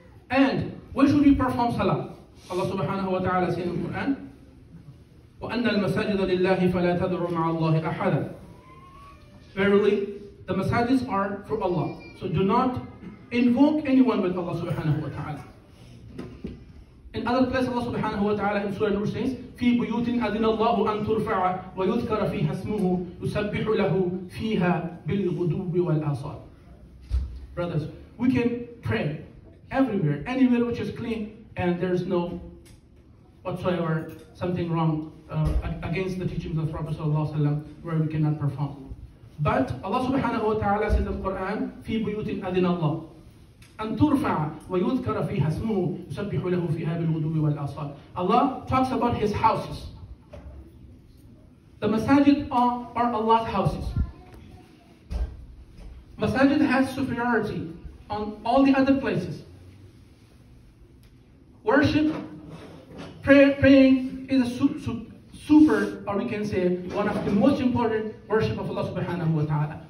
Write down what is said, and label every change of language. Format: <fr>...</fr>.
<en>And where should you perform Salah? Allah subhanahu wa ta'ala says in the Quran,</en> <ar>وَأَنَّ الْمَسَاجِدَ لِلَّهِ فَلَا تَدْعُوا مَعَ اللَّهِ أَحَدًا.</ar> <en>Verily, the masajids are for Allah. So do not invoke anyone with Allah subhanahu wa ta'ala. In other places, Allah subhanahu wa ta'ala in Surah Nur says,</en> <ar>فِي بُيُوتٍ أَذِنَ اللَّهُ أَن تُرْفَعَ وَيُذْكَرَ فِيهَا اسْمُهُ يُسَبِّحُ لَهُ فِيهَا بِالْغُدُوبِ وَالْآصَالِ.</ar> <en>Brothers, we can pray everywhere, anywhere which is clean, and there's no whatsoever something wrong against the teachings of Prophet sallallahu alaihi wasallam where we cannot perform. But Allah subhanahu wa ta'ala said in the Quran,</en> <ar>فِي بُيُوتٍ أَذِنَ اللَّهُ أَن تُرْفَعَ وَيُذْكَرَ فِيهَا اسْمُهُ يُسَبِّحُ لَهُ فِيهَا بِالْغُدُوِّ وَالْآصَالِ.</ar> <en>Allah talks about His houses. The masajid are Allah's houses. Masajid has superiority on all the other places. Worship, praying is a super, or we can say, one of the most important worship of Allah subhanahu wa ta'ala.</en>